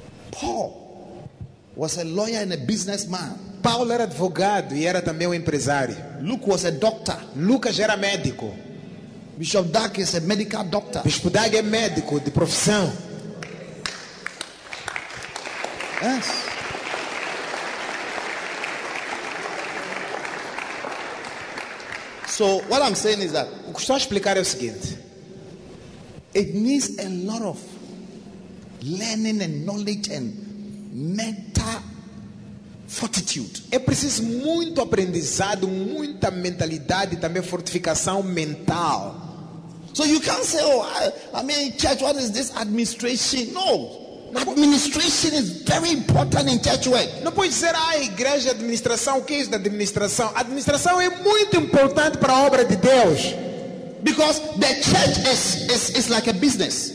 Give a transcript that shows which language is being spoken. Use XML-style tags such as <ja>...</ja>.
<en>Paul was a lawyer and a businessman.</en> <pt>Paulo era advogado e era também empresário.</pt> <en>Luke was a doctor.</en> <pt>Lucas era médico.</pt> <en>Bishop Dag is a medical doctor.</en> <pt>Bispo Dag é médico de profissão.</pt> <en>Yes. So what I'm saying is that</en> <pt>o que estou a explicar é o seguinte.</pt> <en>It needs a lot of learning and knowledge and mental fortitude.</en> <pt>É preciso muito aprendizado, muita mentalidade, também fortificação mental.</pt> <en>So you can't say, oh, I mean, church, what is this administration? No. Administration is very important in church work.</en> <pt>Não pode dizer, igreja, administração, o que é isso da administração? Administração é muito importante para a obra de Deus.</pt> <en>Because the church is like a business.</en>